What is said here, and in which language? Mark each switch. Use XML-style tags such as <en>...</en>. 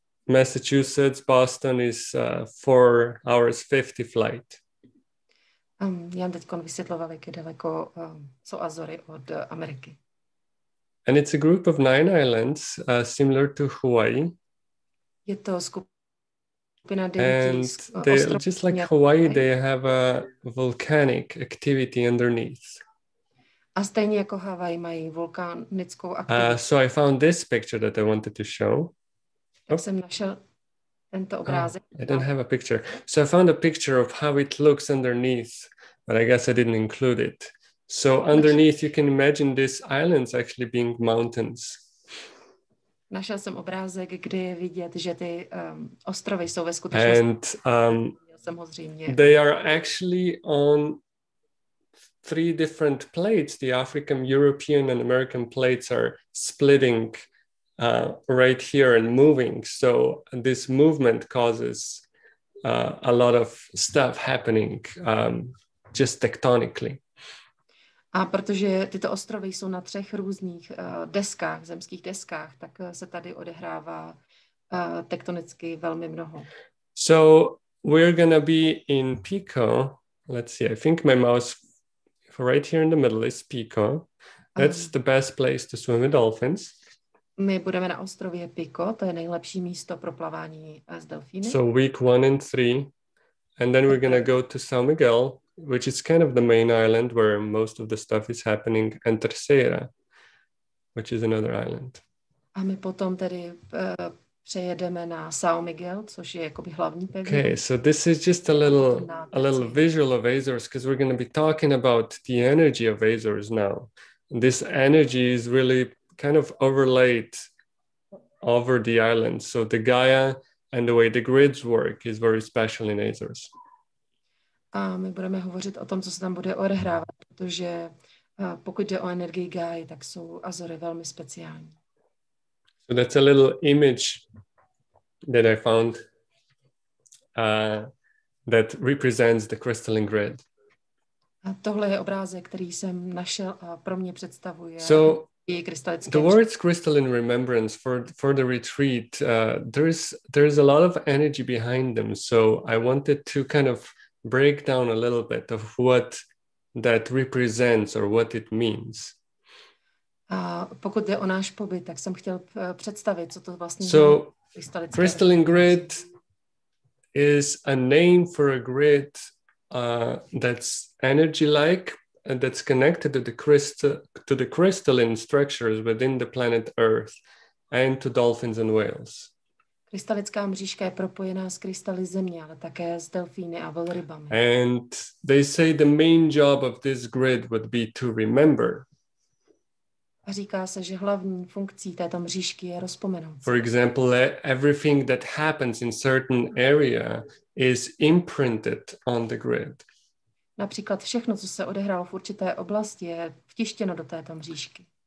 <en>Massachusetts, Boston is 4 hours 50 flight.</en> <cs>Já jsem teďkon vysvětloval, jak je daleko jsou Azory od Ameriky.</cs> <en>And it's a group of 9 islands, similar to Hawaii.</en> <cs>Je to skupina 9</cs> <en>And they, just like Hawaii, they have a volcanic activity underneath.</en> <cs>A stejně jako Hawaii mají vulkanickou aktivitu.</cs> <en>So I found this picture that I wanted to show.</en> <cs>Tento</cs> <en>I don't have a picture. So I found a picture of how it looks underneath, but I guess I didn't include it. So underneath, you can imagine these islands actually being mountains.</en> <cs>Našel jsem obrázek, kde je vidět, že ty ostrovy jsou ve skutečnosti.</cs> <en>And they are actually on 3 different plates. The African, European, and American plates are splitting right here and moving. So this movement causes a lot of stuff happening just tectonically.</en> <cs>A protože tyto ostrovy jsou na 3 různých deskách, zemských deskách, tak se tady odehrává tektonicky velmi mnoho.</cs> <en>So we're gonna be in Pico. Let's see, I think my mouse right here in the middle is Pico. That's the best place to swim with dolphins.</en> <cs>My budeme na ostrově Pico, to je nejlepší místo pro plavání s delfíny.</cs> <en>So week 1 and 3, and then we're gonna go to São Miguel, which is kind of the main island where most of the stuff is happening, and Terceira, which is another island.</en> <cs>A my potom tedy přejedeme na São Miguel, což je jakoby hlavní pevnina.</cs> <en>Okay, so this is just a little visual of Azores, because we're gonna be talking about the energy of Azores now. This energy is really kind of overlaid over the island. So the Gaia and the way the grids work is very special in Azores.</en> <cs>A my budeme hovořit o tom, co se tam bude odehrávat, protože pokud jde o energii Gaia, tak jsou Azory velmi speciální.</cs> <en>So that's a little image that I found that represents the crystalline grid.</en> <cs>A tohle je obrázek, který jsem našel a pro mě představuje.</cs> <en>So the words crystalline remembrance for the retreat, there's a lot of energy behind them. So I wanted to kind of break down a little bit of what that represents or what it means.</en> <cs>Pokud jde o náš pobyt, tak jsem chtěl představit, co to vlastně so je.</cs> <en>Crystalline grid is a name for a grid that's energy-like. And that's connected to the crystalline structures within the planet Earth and to dolphins and whales.</en> <cs>Krystalická mřížka je propojená s krystaly Země, ale také s delfíny a velrybami.</cs> <en>And they say the main job of this grid would be to remember.</en> <cs>A říká se, že hlavní funkcí této mřížky je rozpomenout.</cs> <en>For example, everything that happens in certain area is imprinted on the grid.</en> <cs>Například všechno, co se odehrálo v určité oblasti, je vtištěno do této mřížky.</cs>